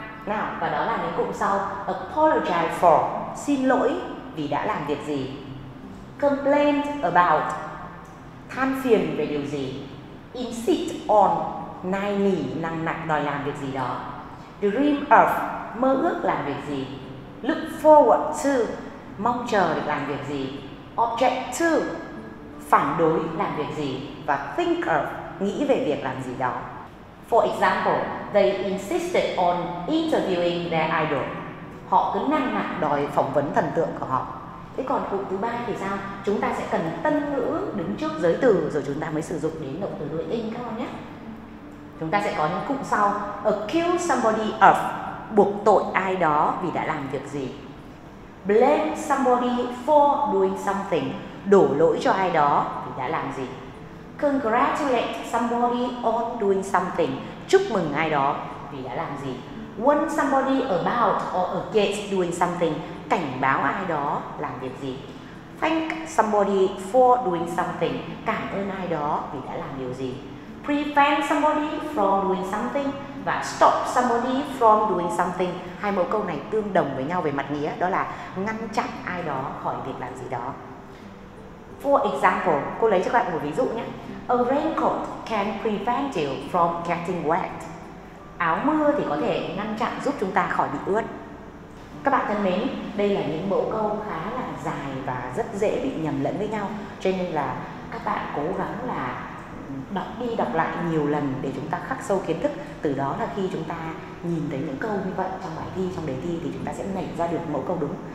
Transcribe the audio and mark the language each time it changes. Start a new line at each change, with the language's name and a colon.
Vietnamese: Nào, và đó là những cụm sau:
English: apologize for,
Vietnamese: xin lỗi vì đã làm việc gì,
English: complain about,
Vietnamese: than phiền về điều gì,
English: insist on,
Vietnamese: nài nỉ, nặng nặng đòi làm việc gì đó,
English: dream of,
Vietnamese: mơ ước làm việc gì,
English: look forward to,
Vietnamese: mong chờ được làm việc gì,
English: object to,
Vietnamese: phản đối làm việc gì, và
English: think of,
Vietnamese: nghĩ về việc làm gì đó.
English: For example, they insisted on interviewing their idol.
Vietnamese: Họ cứ năn nỉ đòi phỏng vấn thần tượng của họ. Thế còn cụm thứ ba thì sao? Chúng ta sẽ cần tân ngữ đứng trước giới từ rồi chúng ta mới sử dụng đến động từ đuôi ing các con nhé. Chúng ta sẽ có những cụm sau:
English: accuse somebody of,
Vietnamese: buộc tội ai đó vì đã làm việc gì.
English: Blame somebody for doing something,
Vietnamese: đổ lỗi cho ai đó vì đã làm gì.
English: Congratulate somebody on doing something,
Vietnamese: chúc mừng ai đó vì đã làm gì.
English: Warn somebody about or against doing something,
Vietnamese: cảnh báo ai đó làm việc gì.
English: Thank somebody for doing something,
Vietnamese: cảm ơn ai đó vì đã làm điều gì.
English: prevent somebody from doing something và stop somebody from doing something.
Vietnamese: Hai mẫu câu này tương đồng với nhau về mặt nghĩa, đó là ngăn chặn ai đó khỏi việc làm gì đó.
English: For example,
Vietnamese: cô lấy cho các bạn một ví dụ nhé.
English: A raincoat can prevent you from getting wet.
Vietnamese: Áo mưa thì có thể ngăn chặn giúp chúng ta khỏi bị ướt. Các bạn thân mến, đây là những mẫu câu khá là dài và rất dễ bị nhầm lẫn với nhau. Cho nên là các bạn cố gắng là đọc đi đọc lại nhiều lần để chúng ta khắc sâu kiến thức. Từ đó là khi chúng ta nhìn thấy những câu như vậy trong bài thi, trong đề thi thì chúng ta sẽ nảy ra được mẫu câu đúng.